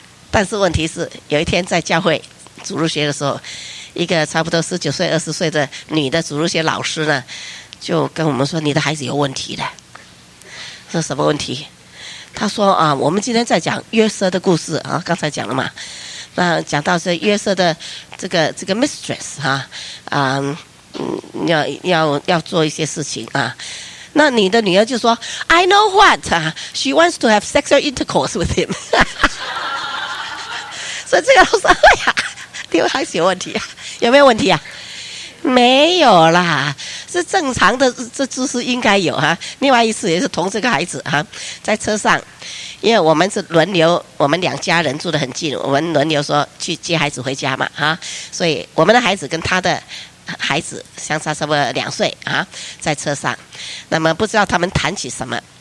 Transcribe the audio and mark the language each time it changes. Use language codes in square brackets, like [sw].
[zh] 但是问题是有一天在教会主日学的时候，一个差不多十九岁二十岁的女的主日学老师呢就跟我们说，你的孩子有问题的。是什么问题？他说啊，我们今天在讲约瑟的故事啊，刚才讲了嘛，那讲到是约瑟的这个 mistress 哈 啊, 啊，要做一些事情啊。那你的女儿就说 [en] ，I know what she wants to have sexual intercourse with him 。 [zh] 所以这个老师，哎呀，你们还是有问题啊？有没有问题啊？没有啦，是正常的，这知识应该有哈。另外一次也是同这个孩子哈，在车上，因为我们是轮流，我们两家人住得很近，我们轮流说去接孩子回家嘛哈，所以我们的孩子跟他的孩子相差差不多两岁啊，在车上，那么不知道他们谈起什么。